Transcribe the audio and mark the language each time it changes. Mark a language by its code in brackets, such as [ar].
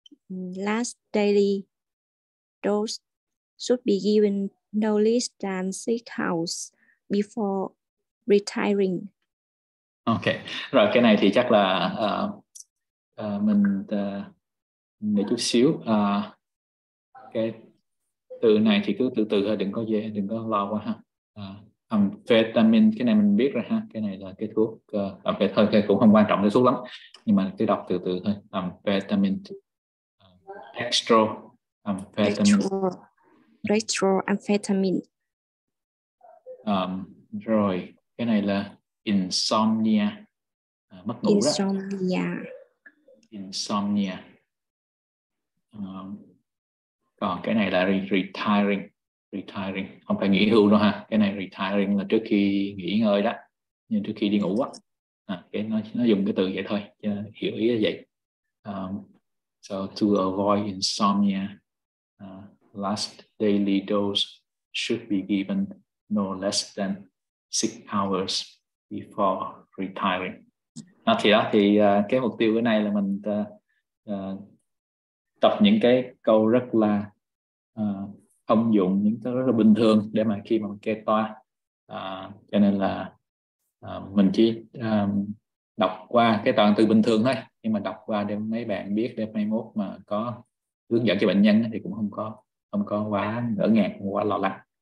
[en] Last daily dose should be given no less than 6 hours before retiring. [vi] Ok, rồi cái này thì chắc là mình để chút xíu cái từ này thì cứ từ từ thôi, đừng có dễ, đừng có lo quá ha. Amphetamine, cái này mình biết rồi ha, cái này là cái thuốc amphetamine, cũng không quan trọng cái thuốc lắm, nhưng mà cứ đọc từ từ thôi. [en] Amphetamine, extra amphetamine, retro amphetamine. [vi] Rồi cái này là insomnia, mất ngủ [en] insomnia. Đó. Insomnia. Insomnia. [vi] Còn cái này là retiring. Retiring. Không phải nghỉ hưu đâu ha. Cái này retiring là trước khi nghỉ ngơi đó. Nhưng trước khi đi ngủ á. Cái nó dùng cái từ vậy thôi. Cho hiểu ý là vậy. [en] So to avoid insomnia, last daily dose should be given no less than 6 hours before retiring. [vi] Nó thì đó thì cái mục tiêu bữa nay là mình tập những cái câu rất là thông dụng, những cái rất là bình thường để mà khi mà mình kê toa. Cho nên là mình chỉ đọc qua cái toàn từ bình thường thôi, nhưng mà đọc qua để mấy bạn biết, để mai mốt mà có hướng dẫn cho bệnh nhân thì cũng không có quá ngỡ ngàng, không quá lo lắng.